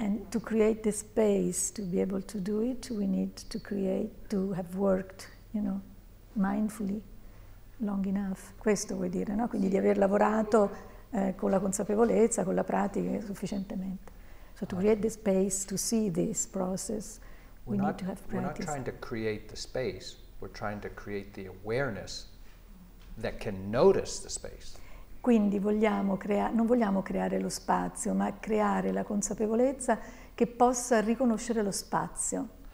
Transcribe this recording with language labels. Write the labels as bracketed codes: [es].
[en] to create the space to be able to do it, we need to create, to have worked, you know, mindfully long enough. [it] Questo vuol dire, no? Quindi di aver lavorato con la consapevolezza, con la pratica sufficientemente. [en] So to create the space to see this process, we need to have practice. We're not trying to create the space, we're trying to create the awareness that can notice the space. [it] Quindi vogliamo non vogliamo creare lo spazio, ma creare la consapevolezza che possa riconoscere lo spazio.